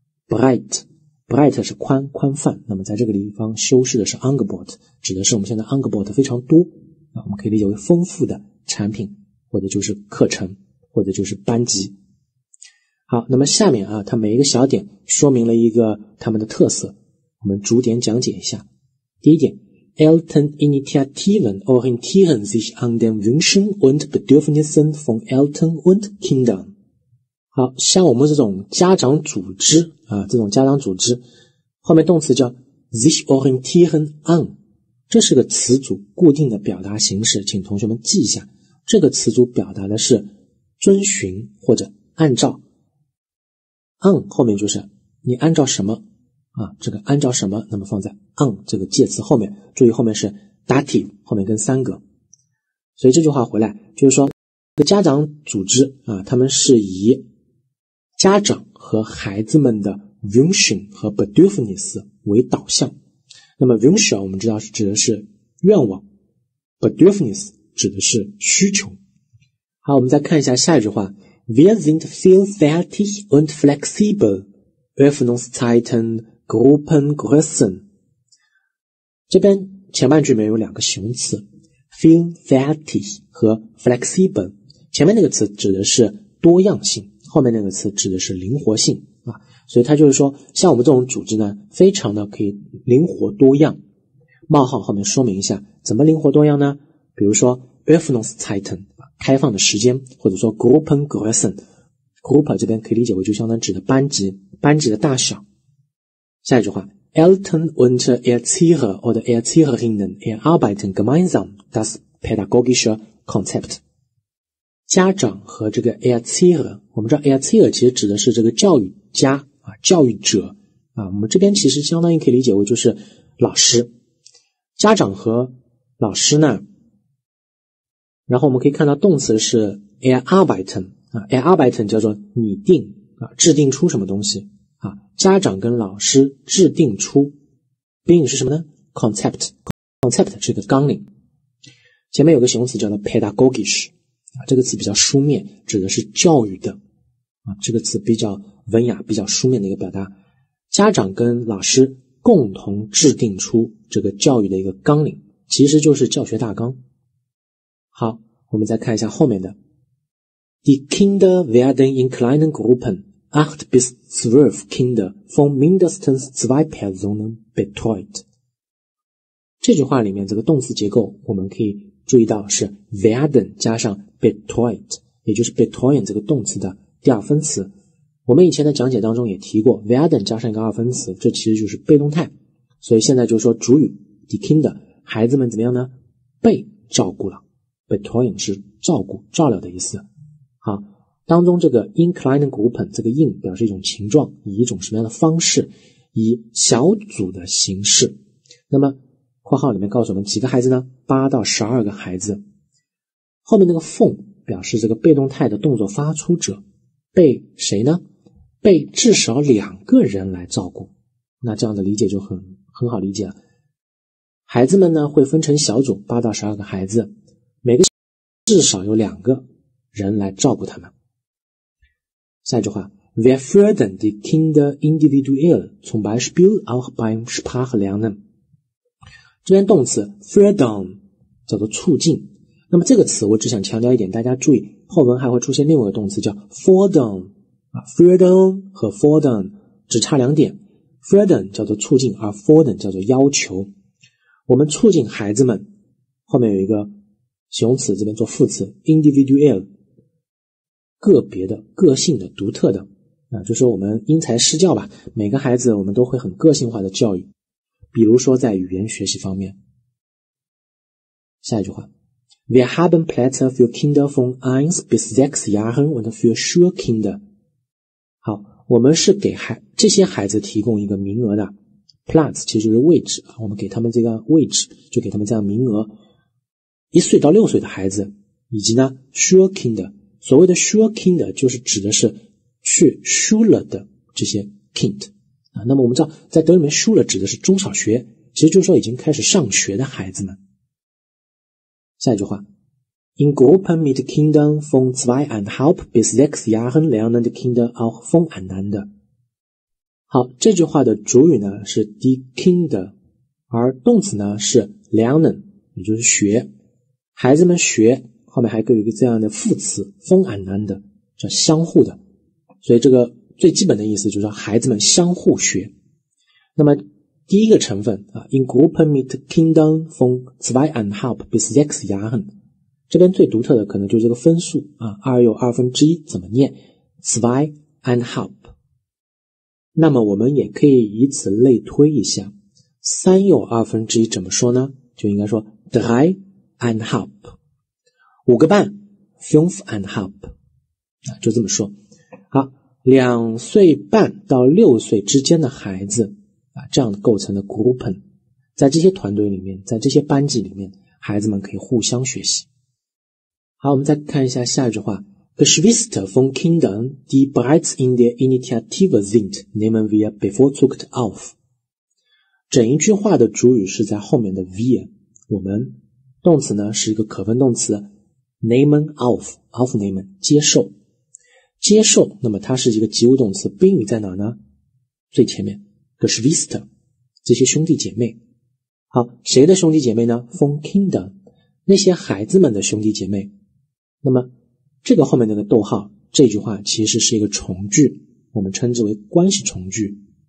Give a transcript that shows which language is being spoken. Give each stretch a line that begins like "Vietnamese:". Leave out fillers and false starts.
Chinese: Bright 是宽宽泛，那么在这个地方修饰的是 Angebot， 指的是我们现在 Angebot 非常多，那我们可以理解为丰富的产品，或者就是课程，或者就是班级。好，那么下面啊，它每一个小点说明了一个它们的特色，我们逐点讲解一下。
German: 第一点， Eltern Initiativen orientieren sich an den Wünschen und Bedürfnissen von Eltern und Kindern。
Chinese: 好，像我们这种家长组织啊，这种家长组织后面动词叫
German: sich orientieren an，
Chinese: 这是个词组固定的表达形式，请同学们记一下，这个词组表达的是遵循或者按照， an 后面就是你按照什么啊，这个按照什么，那么放在 an 这个介词后面，注意后面是 dativ， 后面跟三格。所以这句话回来就是说，这个家长组织啊，他们是以家长和孩子们的 wünschen 和 bedürfnis 为导向。那么 wünschen 我们知道是指的是愿望， Bedürfnis 指的是需求。好，我们再看一下下一句话。
German: Wir sind vielfältig und flexibel. Öffnungszeiten, Gruppengrößen.
Chinese: 这边前半句里面有两个形容词 ,vielfältig 和 flexibel。前面那个词指的是多样性，后面那个词指的是灵活性。啊，所以它就是说像我们这种组织呢非常的可以灵活多样。冒号后面说明一下怎么灵活多样呢，比如说 Öffnungszeiten, 开放的时间，或者说 Gruppengrößen, Gruppe 这边可以理解为就相当指的班级，班级的大小。
German: 下一句话， Eltern und Erzieher oder Erzieherinnen erarbeiten gemeinsam das pädagogische Konzept。
Chinese: 家长和这个 Erzieher, 我们知道 Erzieher 其实指的是这个教育家，教育者，我们这边其实相当于可以理解为就是老师，家长和老师呢，然后我们可以看到动词是 erarbeiten, erarbeiten 叫做拟定，制定出什么东西，家长跟老师制定出，宾语是什么呢？ concept, concept 是一个纲领。前面有个形容词叫做 pedagogisch, 这个词比较书面，指的是教育的，这个词比较文雅，比较书面的一个表达。家长跟老师共同制定出这个教育的一个纲领，其实就是教学大纲。好，我们再看一下后面的。
German: Die Kinder werden in kleinen Gruppen, 8 bis 12 Kinder von mindestens 2 Personen betreut.
Chinese: 这句话里面这个动词结构我们可以注意到是 werden 加上 betreut, 也就是 betreuen 这个动词的第二分词。我们以前的讲解当中也提过 werden 加上一个二分词，这其实就是被动态，所以现在就是说主语
German: die Kinder
Chinese: 孩子们怎么样呢，被照顾了，被投影是照顾照料的意思。好，当中这个
German: in kleinen Gruppen
Chinese: 这个 in 表示一种情状，以一种什么样的方式，以小组的形式。那么括号里面告诉我们几个孩子呢，8到12个孩子。后面那个 von 表示这个被动态的动作发出者，被谁呢？被至少两个人来照顾。那这样的理解就很好理解了。孩子们呢会分成小组，8到12个孩子，每个至少有两个人来照顾他们。
German: 下一句话， Wir fördern die Kinder individuell, zum Beispiel auch beim Sprachlernen。
Chinese: 这边动词 fördern 叫做促进。那么这个词我只想强调一点，大家注意后文还会出现另外一个动词叫 fördern, fördern 和 fördern 只差两点， fördern 叫做促进，而 fördern 叫做要求。我们促进孩子们后面有一个形容词，这边做副词 individual, 个别的，个性的，独特的，就说我们因材施教吧，每个孩子我们都会很个性化的教育，比如说在语言学习方面。
German: 下一句话， Wir haben Plätze für Kinder von 1 bis 6 Jahren und für Schulkinder。
Chinese: 好，我们是给这些孩子提供一个名额的， Platz 其实就是位置，我们给他们这个位置，就给他们这样名额，一岁到六岁的孩子，以及呢 Schulkinder, 所谓的 Schulkinder 就是指的是去 Schule 的这些 Kind。那么我们知道在德语里面 Schule 指的是中小学，其实就是说已经开始上学的孩子们。
German: 下一句话， In Gruppen mit Kindern von 2,5 bis 6 Jahren lernen die Kinder auch voneinander。
Chinese: 好，这句话的主语呢是 die Kinder, 而动词呢是 lernen, 也就是学，孩子们学，后面还有一个这样的副词 voneinander, 叫相互的，所以这个最基本的意思就是说孩子们相互学。那么第一个成分
German: In Gruppen mit Kindern von 2,5 bis 6 Jahren,
Chinese: 这边最独特的可能就是这个分数2又2分之1怎么念 2,5。那么我们也可以以此类推一下，3又2分之1怎么说呢，就应该说 3and help, 五个半 ,fünf and help, 就这么说。好，两岁半到六岁之间的孩子这样构成的 Gruppen, 在这些团队里面，在这些班级里面，孩子们可以互相学习。
German: 好，我们再看一下下一句话， Geschwister von Kindern, die bereits in der Initiative sind, nehmen wir bevorzugt auf。
Chinese: 整一句话的主语是在后面的
German: wir,
Chinese: 我们动词呢是一个可分动词
German: nehmen aufnehmen
Chinese: 接受，接受，那么它是一个及物动词，宾语在哪呢？最前面 Geschwister 这些兄弟姐妹。好，谁的兄弟姐妹呢？
German: von Kindern
Chinese: 那些孩子们的兄弟姐妹。那么这个后面那个逗号，这句话其实是一个从句，我们称之为关系从句。